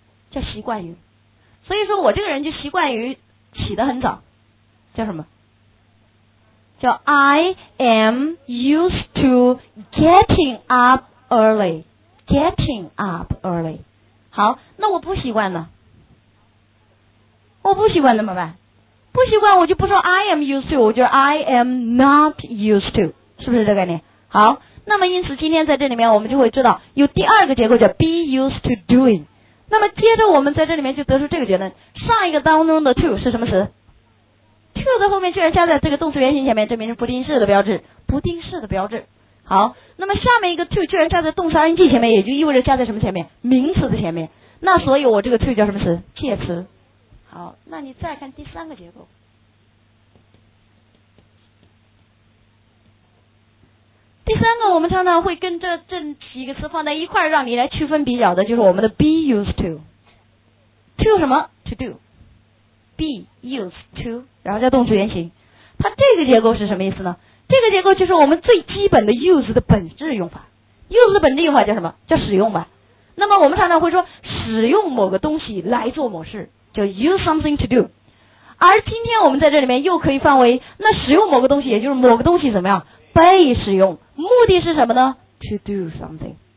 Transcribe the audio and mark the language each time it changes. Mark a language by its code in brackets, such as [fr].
[zh] 叫习惯于，所以说我这个人就习惯于起得很早，叫什么？叫 [en] I am used to getting up early， getting up early。 [zh] 好，那我不习惯呢，我不习惯怎么办？不习惯我就不说 [en] I am used to， [zh] 我就 [en] I am not used to， [zh] 是不是这个概念？好，那么因此今天在这里面我们就会知道有第二个结构叫 be used to doing。那么接着我们在这里面就得出这个结论，上一个当中的 to 是什么词？ to 的后面居然加在这个动词原形前面，证明是不定式的标志，不定式的标志。好，那么下面一个 to 居然加在动词 ing 前面，也就意味着加在什么前面？名词的前面。那所以我这个 to 叫什么词？介词。好，那你再看第三个结构，第三个我们常常会跟这几个词放在一块让你来区分比较的，就是我们的 be used to。 to 什么？ [en] to do， be used to， [zh] 然后叫动词原形。它这个结构是什么意思呢？这个结构就是我们最基本的 use 的本质用法。 use 的本质用法叫什么？叫使用吧。那么我们常常会说使用某个东西来做某事叫 [en] use something to do。 [zh] 而今天我们在这里面又可以范围，那使用某个东西也就是某个东西怎么样被使用，目的是什么呢？ [en] to do something。